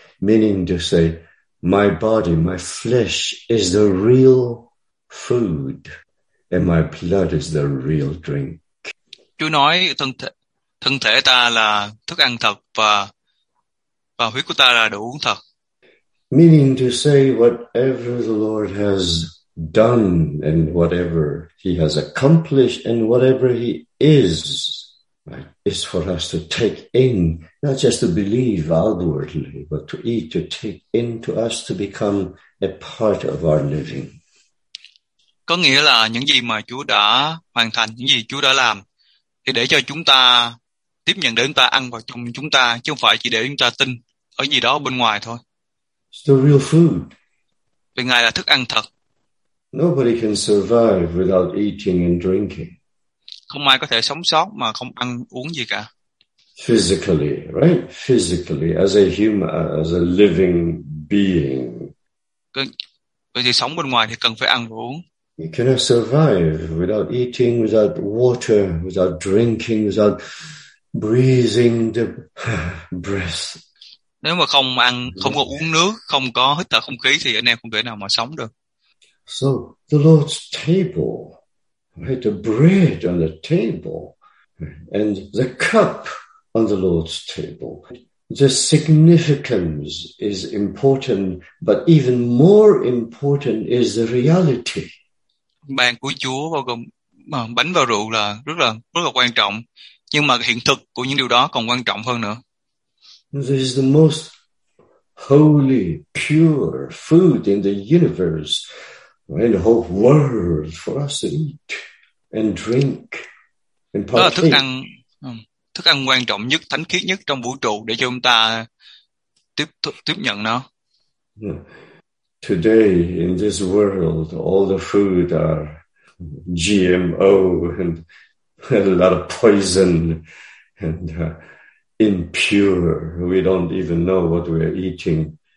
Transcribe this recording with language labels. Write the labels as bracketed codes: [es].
[en] Meaning to say, my body, my flesh is the real food, and my blood is the real drink. [vi] Chúa nói thân thể ta là thức ăn thật và huyết của ta là đồ uống thật. [en] Meaning to say, whatever the Lord has done and whatever he has accomplished and whatever he is, right, is for us to take in, not just to believe outwardly, but to eat, to take into us, to become a part of our living. [vi] Có nghĩa là những gì mà Chúa đã hoàn thành, những gì Chúa đã làm, thì để cho chúng ta tiếp nhận, để chúng ta ăn vào trong chúng ta, chứ không phải chỉ để chúng ta tin ở gì đó bên ngoài thôi. [en] It's the real food. [vi] Vì Ngài là thức ăn thật. [en] Nobody can survive without eating and drinking. [vi] Không ai có thể sống sót mà không ăn uống gì cả. [en] Physically, right? Physically, as a human, as a living being. [vi] Cần sống bên ngoài thì cần phải ăn và uống. [en] You cannot survive without eating, without water, without drinking, without breathing the breath. [vi] Nếu mà không ăn, không có uống nước, không có hít thở không khí thì anh em không thể nào mà sống được. [en] So the Lord's table, right, the bread on the table, and the cup on the Lord's table. The significance is important, but even more important is the reality. [vi] Bàn của Chúa bao gồm bánh và rượu là rất là quan trọng, nhưng mà hiện thực của những điều đó còn quan trọng hơn nữa. [en] This is the most holy, pure food in the universe, in the whole world, for us to eat and drink and partake. [vi] Đó là thức ăn quan trọng nhất, thánh khiết nhất trong vũ trụ để cho chúng ta tiếp nhận nó. [en] Today in this world, all the food are GMO and a lot of poison and impure. We don't even know what we're eating.